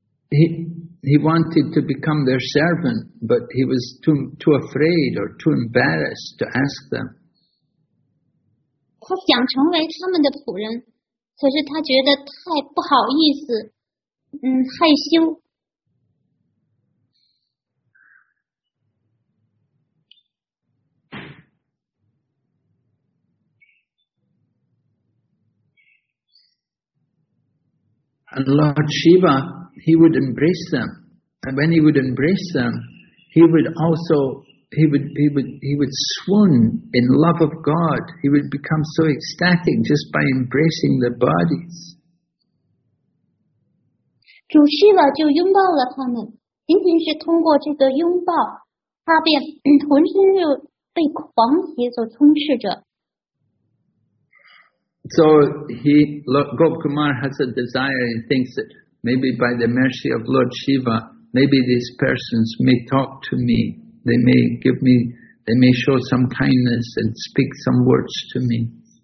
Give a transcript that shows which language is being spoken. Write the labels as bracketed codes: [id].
[en] he wanted to become their servant, but he was too afraid or too embarrassed to ask them. [zh] 他想成为他们的仆人，可是他觉得太不好意思，害羞。 [en] And Lord Shiva, he would embrace them. And when he would embrace them, he would swoon in love of God. He would become so ecstatic just by embracing their bodies. [zh] 主 Shiva 就拥抱了他们，仅仅是通过这个拥抱，他便浑身就被狂喜所充斥着。 [en] So he, Lord Gop Kumar has a desire and thinks that maybe by the mercy of Lord Shiva, maybe these persons may talk to me. They may give me, they may show some kindness and speak some words to me.